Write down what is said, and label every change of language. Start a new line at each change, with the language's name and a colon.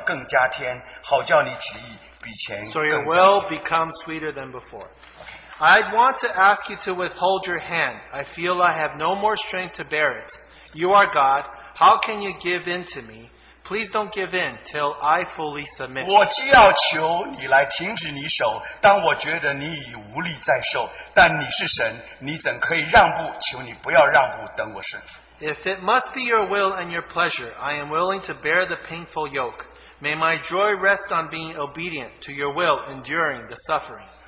Chinese: 我也有泪珠看不清你脸面，好像你话语真实不如前。你使我减少，好叫你更加添，好叫你旨意比前更加。
English: So your will becomes sweeter than before. Okay. I'd want to ask you to withhold your hand. I feel I have no more strength to bear it. You are God. How can you give in to me? Please don't give in till I fully submit.
Chinese: 我既要求你来停止你手，当我觉得你已无力再受，但你是神，你怎可以让步？求你不要让步，等我顺服。
English: If it must be your will and your pleasure, I am willing to bear the painful yoke. May my joy rest on being obedient to your will, enduring the suffering.